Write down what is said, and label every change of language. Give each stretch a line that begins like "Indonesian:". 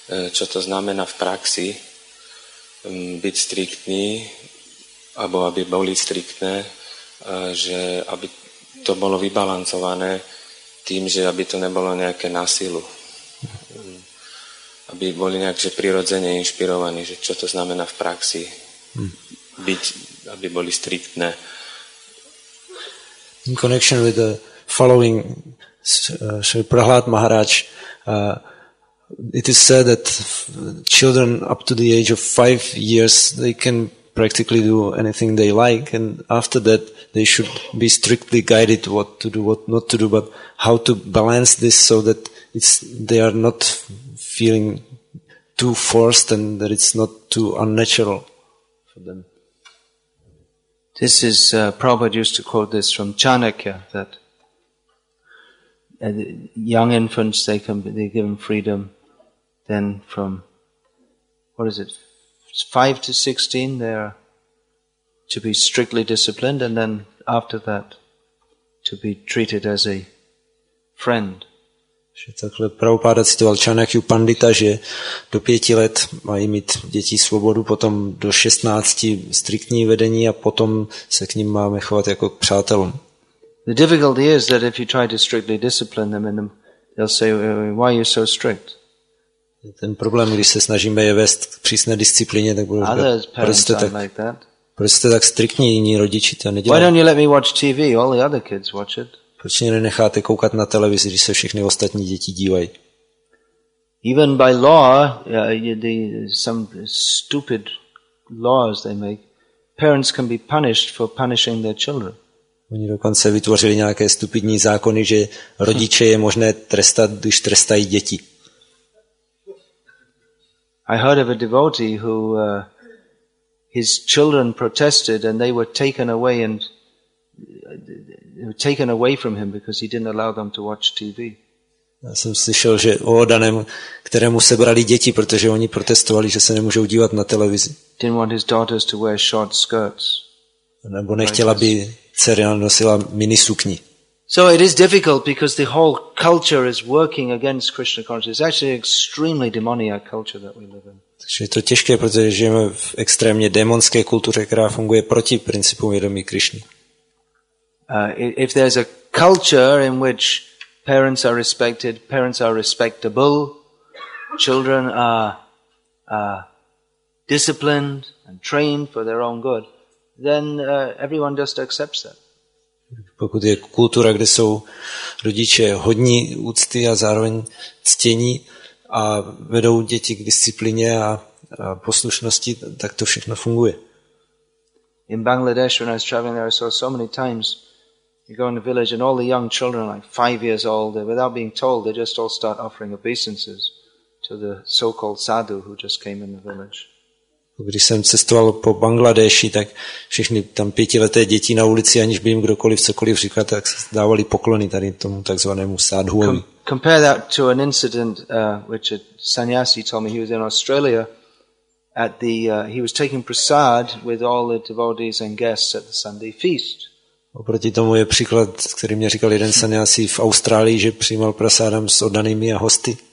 Slovak: Čo to znamená v praxi byť striktný alebo aby boli striktné, že aby to bolo vybalancované tým, že aby to nebolo nejaké násilu. Aby boli nejak prirodzene inšpirovaní, že čo to znamená v praxi byť, aby boli striktné.
English: In connection with the following Prahlad Maharaj, it is said that children up to the age of 5 years, they can practically do anything they like, and after that they should be strictly guided what to do, what not to do, but how to balance this so that they are not feeling too forced and that it's not too unnatural for them. This is, Prabhupada used to quote this from Chanakya, that young infants, they can be given freedom, then from, what is it, 5 to 16, they are to be strictly disciplined, and then after that, to be treated as a friend.
Czech: Že takhle Prabhupada citoval Chanakyu Pandita, že do 5 let mají mít děti svobodu, potom do 16 striktní vedení a potom se k ním máme chovat jako k přátelům.
English: The difficulty is that if you try to strictly discipline them, they'll say, why are you so strict?
Czech: Ten problém, když se snažíme je vést k přísné disciplíně, tak budou říkat, proč jste tak striktní, jiní rodiči to nedělají.
English: Why don't you let me watch TV? All the other kids watch it.
Czech: Proč mě nenecháte koukat na televizi, když se všechny ostatní děti dívají?
English: Even by law, some stupid laws they make, parents can be punished for punishing their children.
Czech: Oni dokonce vytvořili nějaké stupidní zákony, že rodiče je možné trestat, když trestají děti.
English: I heard of a devotee who his children protested and they were taken away and taken away from him because he didn't allow them to watch TV.
Czech: Já jsem slyšel, že o Danem, kterému se brali děti, protože oni protestovali, že se nemůžou dívat na televizi.
English: Didn't want his daughters to wear short skirts.
Czech: Nebo nechtěla, aby dcera nosila minisukni.
English: So it is difficult because the whole culture is working against Krishna consciousness. It's actually an extremely demoniac culture that we live in.
Czech: Takže je to těžké, protože žijeme v extrémně démonské kultuře, která funguje proti principům vědomí Krišny.
English: If there's a culture in which parents are respected, parents are respectable, children are disciplined and trained for their own good, then everyone just accepts that.
Czech: Pokud je kultura, kde jsou rodiče hodní úcty a zároveň ctění a vedou děti k disciplině a poslušnosti, tak to všechno funguje.
English: In Bangladesh, when I was traveling there, I saw so many times you go in the village and all the young children are like 5 years old, they're without being told, they just all start offering obeisances to the so-called sadhu who just came in the village.
Czech: Když jsem cestoval po Bangladeši, tak všichni tam pětileté děti na ulici, aniž by jim kdokoliv cokoliv říkal, tak dávali poklony tady tomu takzvanému sadhuovi.
English: Compare that to an incident which a sannyasi told me. He was in Australia at the he was taking prasad with all the devotees and guests at the Sunday feast.
Czech: Oproti tomu je příklad, který mě říkal jeden sannyasi v Austrálii, že přijímal prasádam s oddanými a hosty.